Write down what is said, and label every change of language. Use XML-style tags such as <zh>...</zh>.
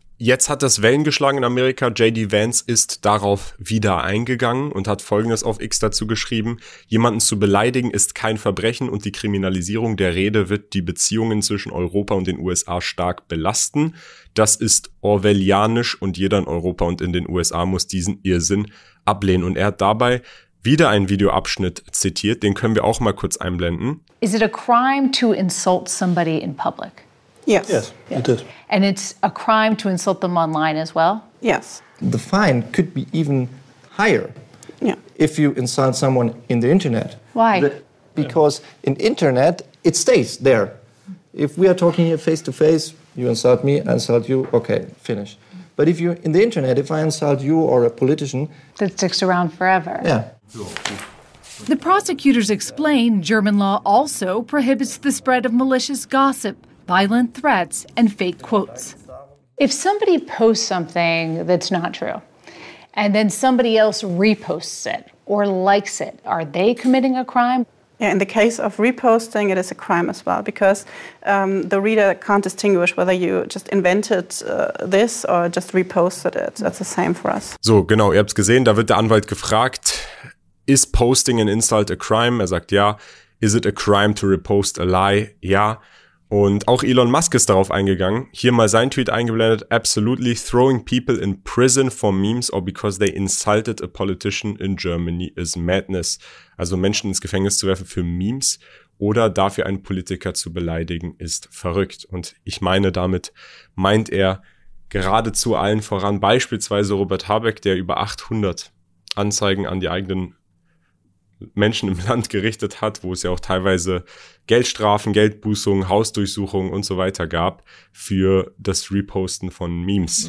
<de>Jetzt hat das Wellen geschlagen in Amerika. J.D. Vance ist darauf wieder eingegangen und hat Folgendes auf X dazu geschrieben: Jemanden zu beleidigen ist kein Verbrechen und die Kriminalisierung der Rede wird die Beziehungen zwischen Europa und den USA stark belasten. Das ist orwellianisch und jeder in Europa und in den USA muss diesen Irrsinn ablehnen. Und er hat dabei wieder einen Videoabschnitt zitiert, den können wir auch mal kurz einblenden.</de> <en>Is it a crime to insult somebody in public? Yes, it is. And it's a crime to insult them online as well? Yes. The fine could be even higher if you insult someone in the internet. Why? Because in internet, it stays there. If we are talking here face to face, you insult me, I insult you, okay, finish. But if you're in the internet, if I insult you or a politician... That sticks around forever. Yeah. The prosecutors explain German law also prohibits the spread of malicious gossip, violent threats, and fake quotes. If somebody posts something that's not true, and then somebody else reposts it or likes it, are they committing a crime? Yeah, in the case of reposting, it is a crime as well, because the reader can't distinguish whether you just invented this or just reposted it. That's the same for us.</en> <de>So, genau, ihr habt's gesehen, da wird der Anwalt gefragt,</de> <en>is posting an insult a crime?</en> <de>Er sagt ja.</de> <en>Is it a crime to repost a lie?</en> <de>Ja. Und auch Elon Musk ist darauf eingegangen. Hier mal sein Tweet eingeblendet.</de> <en>Absolutely throwing people in prison for memes or because they insulted a politician in Germany is madness.</en> <de>Also Menschen ins Gefängnis zu werfen für Memes oder dafür einen Politiker zu beleidigen ist verrückt. Und ich meine, damit meint er geradezu allen voran. Beispielsweise Robert Habeck, der über 800 Anzeigen an die eigenen Menschen im Land gerichtet hat, wo es ja auch teilweise Geldstrafen, Geldbußungen, Hausdurchsuchungen und so weiter gab für das Reposten von Memes.</de>